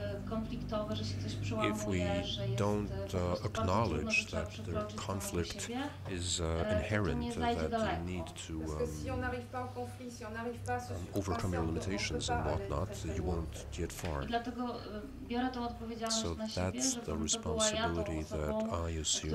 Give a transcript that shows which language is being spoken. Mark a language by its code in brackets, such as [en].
[pl] konfliktowe, że się coś przełamuje, że jest [en] acknowledge that the conflict is inherent, that you need to overcome your limitations and whatnot, you won't get far. [pl] Dlatego biorę tą odpowiedzialność na siebie, [en] that's the responsibility that I assume.